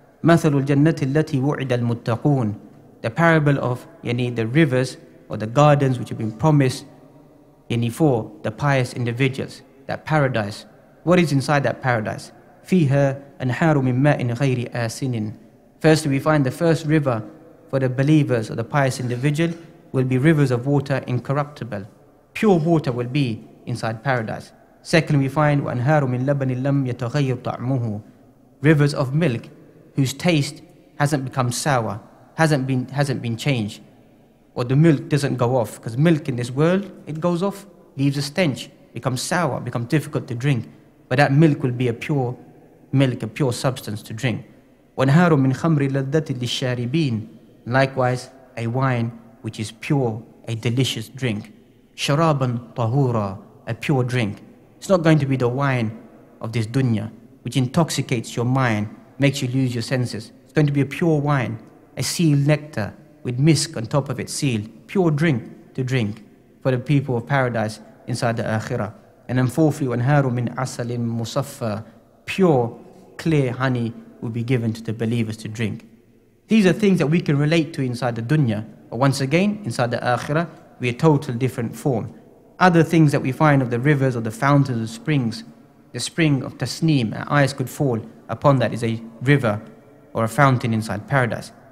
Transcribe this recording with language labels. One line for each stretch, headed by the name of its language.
Arabic: Mathalul jannati allati wu'ida al-muttaqoon.
English: The parable of the rivers or the gardens which have been promised for the pious individuals. That paradise. What is inside that paradise?
Arabic: Fiha anharu min ma'in ghayri asinin.
English: Firstly, we find the first river for the believers or the pious individual will be rivers of water incorruptible. Pure water will be inside paradise. Secondly, we find
Arabic: وَأَنْهَارُ مِنْ لَبَنِ لَمْ يَتَغَيِّرْ طَعْمُهُ.
English: Rivers of milk whose taste hasn't become sour, hasn't been changed. Or the milk doesn't go off, because milk in this world, it goes off, leaves a stench, becomes sour, becomes difficult to drink. But that milk will be a pure milk, a pure substance to drink.
Arabic: وَأَنْهَارُ مِنْ خَمْرِ لَذَّةِ لِلشَّارِبِينَ.
English: Likewise, a wine which is pure, a delicious drink.
Arabic: شَرَابًا طَهُورًا.
English: A pure drink. It's not going to be the wine of this dunya, which intoxicates your mind, makes you lose your senses. It's going to be a pure wine, a sealed nectar with misk on top of it, sealed. Pure drink to drink for the people of paradise inside the akhirah. And then fourthly,
Arabic: وَأَنْهَارُ مِنْ عَسَلٍ مُصَفَّى.
English: Pure, clear honey will be given to the believers to drink. These are things that we can relate to inside the dunya. But once again, inside the akhirah, we are a total different form. Other things that we find of the rivers or the fountains or springs, the spring of Tasneem, our eyes could fall upon that, is a river or a fountain inside paradise.